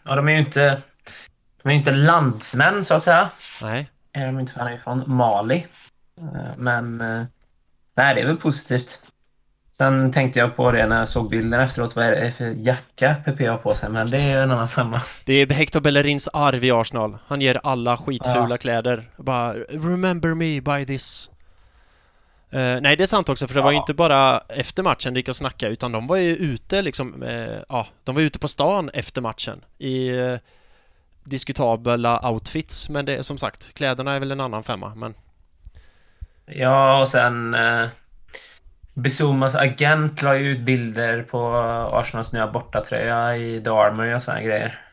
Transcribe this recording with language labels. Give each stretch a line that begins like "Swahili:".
Swedish: Ja, de är ju inte landsmän så att säga. Nej. Är de inte från Mali. Men nej, det är väl positivt. Sen tänkte jag på det när jag såg bilden efteråt, vad är det för jacka Pepe har på sig, men det är ju en annan femma. Det är Hector Bellerins arv i Arsenal. Han ger alla skitfula kläder. Bara,
English: remember me by this.
Swedish: Nej, det är sant också, för det var ju inte bara efter matchen de gick och snacka, utan de var ju ute liksom, de var ute på stan efter matchen i diskutabla outfits, men det är som sagt, kläderna är väl en annan femma, men... Ja, och sen Bissoumas agent la ut bilder på Arsenals nya bortatröja i The Armory och sådana grejer.